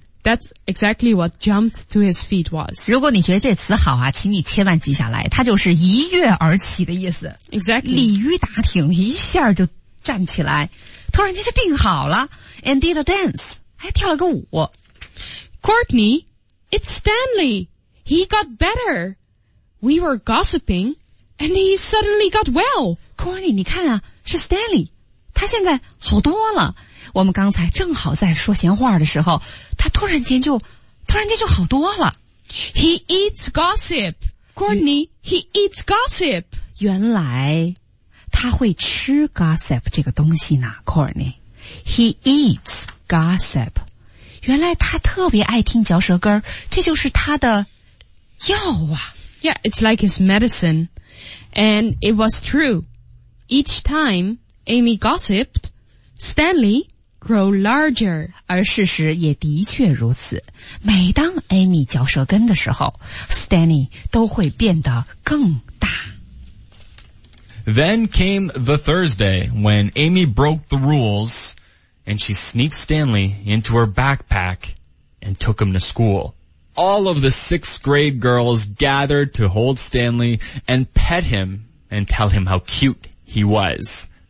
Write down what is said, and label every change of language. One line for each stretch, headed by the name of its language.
English: That's exactly what jumped to his feet was.
Chinese: 如果你觉得这词好啊，请你切万记下来，它就是一跃而起的意思。
English: Exactly.
Chinese: 鲤鱼打挺，一下就站起来，突然间就病好了。
English: And did a dance.
Chinese: 还跳了个舞。
English: Courtney, it's Stanley. He got better. We were gossiping, and he suddenly got well.
Chinese: Courtney, 你看啊，是 Stanley. 他现在好多了。我们刚才正好在说闲话的时候，他突然间就好多了。
English: He eats gossip. Courtney, he eats gossip.
Chinese: 原来他会吃 gossip 这个东西呢 Courtney.
English: He eats gossip.
Chinese: 原来他特别爱听嚼舌根这就是他的药啊。
English: Yeah, it's like his medicine. And it was true. Each time Amy gossiped, Stanley grew larger.
Chinese: 而事实也的确如此。每当 Amy 嚼舌根的时候 ,Stanley 都会变得更大。
English: Then came the Thursday when Amy broke the rules and she sneaked Stanley into her backpack and took him to school. All of the sixth grade girls gathered to hold Stanley and pet him and tell him how cute he was.